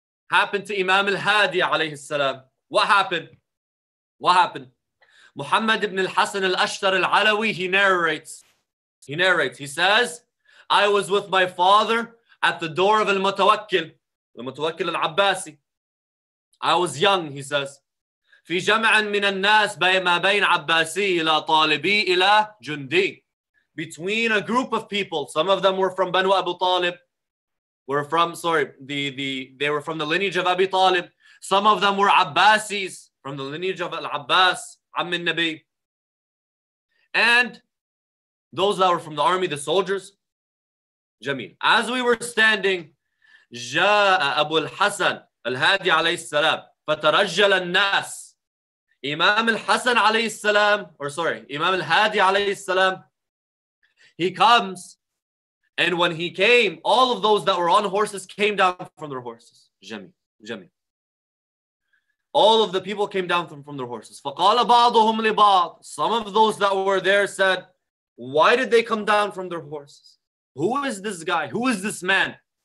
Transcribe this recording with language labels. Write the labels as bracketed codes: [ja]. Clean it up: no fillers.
[en] Happened to Imam al-Hadi alayhi salam. What happened? Muhammad ibn al-Hasan al-Ashtar al-Alawi, he narrates, he says, I was with my father at the door of al-Mutawakkil al-Abbasi. I was young, he says. [ar] في جمع من الناس بين ما بين عباسي إلى طالبي إلى جندي. [en] Between a group of people, some of them were from Banu Abu Talib, they were from the lineage of Abi Talib. Some of them were Abbasis, from the lineage of Al-Abbas, Amm al-Nabi. And those that were from the army, the soldiers. Jameel. As we were standing, [ar] جاء أبو الحسن الهادي عليه السلام فترجل الناس. [en] Imam al-Hasan alayhi salam, Imam al-Hadi alayhi salam, he comes, and when he came, all of those that were on horses came down from their horses. Jamil. All of the people came down from their horses. [ar] فَقَالَ بَعْضُهُمْ لِبَعْضٍ [en] Some of those that were there said, why did they come down from their horses? Who is this guy? Who is this man?